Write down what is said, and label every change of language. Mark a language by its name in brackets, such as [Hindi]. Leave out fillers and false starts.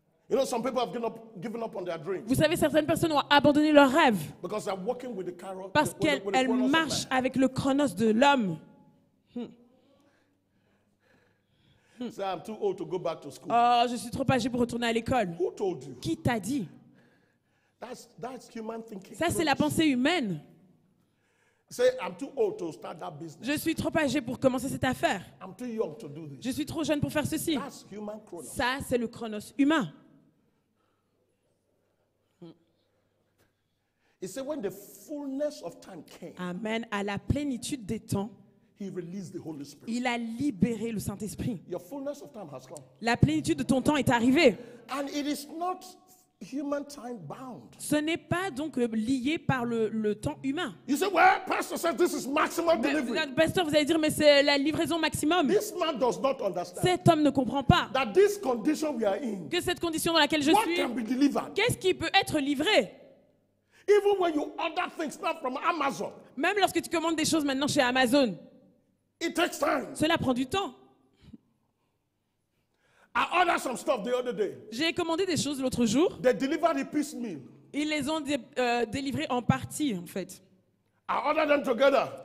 [English] You know, some people have given up on their dreams. [French] Vous savez, certaines personnes ont abandonné leurs rêves. [English] Because they're working with the chronos. [French] Parce qu'elles marchent avec le chronos de l'homme. [English] So I'm too old to go back to school. [French] Oh, je suis trop âgé pour retourner à l'école. [English] Who told you? [French] Qui t'a dit? [English] That's human thinking. [French] Ça, c'est la pensée humaine. [English] Say, I'm too old to start that business. [French] Je suis trop âgé pour commencer cette affaire. [English] I'm too young to do this. [French] Je suis trop jeune pour faire ceci. [English] That's human chronos. [French] Ça, c'est le chronos humain. [English] He said, when the fullness of time came, [French] amen, à la plénitude des temps, [English] he released the Holy Spirit. [French] Il a libéré le Saint-Esprit. [English] Your fullness of time has come. [French] La plénitude de ton temps est arrivée. [English] And it is not human time bound. [French] Ce n'est pas donc lié par le temps humain. [English] You say, well, pastor says this is maximum delivery. [French] Pasteur, vous allez dire, mais c'est la livraison maximum. [English] This man does not understand. [French] Cet homme ne comprend pas [English] that this condition we are in, [French] que cette condition dans laquelle je [English] what [French] suis, [English] can be delivered? [French] Qu'est-ce qui peut être livré? [English] Even when you order things not from Amazon, [French] même lorsque tu commandes des choses maintenant chez Amazon, [English] it takes time. [French] Cela prend du temps. [English] I ordered some stuff the other day. [French] J'ai commandé des choses l'autre jour. [English] They delivered it piecemeal. [French] Ils les ont délivrées en partie, en fait. [English] I ordered them together.